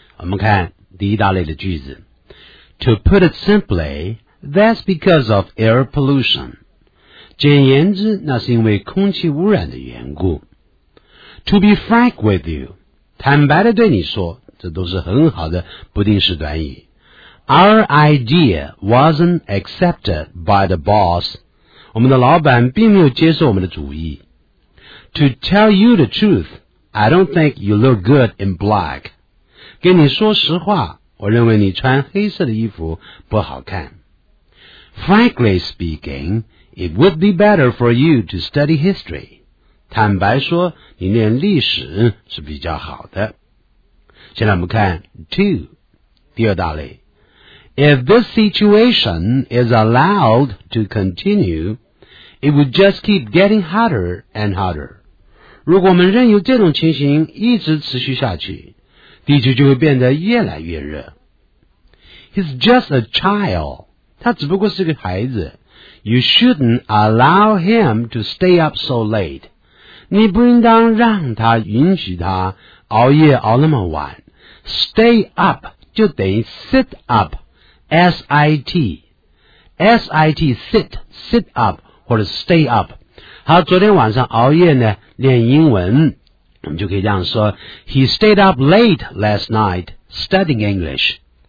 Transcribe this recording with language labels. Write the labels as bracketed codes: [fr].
[zh] 我们看第一大类的句子。 [en] To put it simply, that's because of air pollution. [zh] 简言之，那是因为空气污染的缘故。 [en] To be frank with you, [zh] 坦白地对你说。这都是很好的不定式短语。 [en] Our idea wasn't accepted by the boss. [zh] 我们的老板并没有接受我们的主意。 [en] To tell you the truth, I don't think you look good in black. [zh] 跟你说实话，我认为你穿黑色的衣服不好看。 [en] Frankly speaking, it would be better for you to study history. [zh] 坦白说，你念历史是比较好的。现在我们看 2, 第二大类 [en] If this situation is allowed to continue, it would just keep getting hotter and hotter. [zh] 如果我们任由这种情形一直持续下去，地球就会变得越来越热。 [en] He's just a child. [zh] 他只不过是个孩子。 [en] You shouldn't allow him to stay up so late. [zh] 你不应当让他允许他熬夜熬那么晚。 [en] Stay up 就等于 sit up, S-I-T, S-I-T, sit, sit up, 或者 stay up. [zh] 好，昨天晚上熬夜呢，练英文，我们就可以这样说 , [en] He stayed up late last night studying English.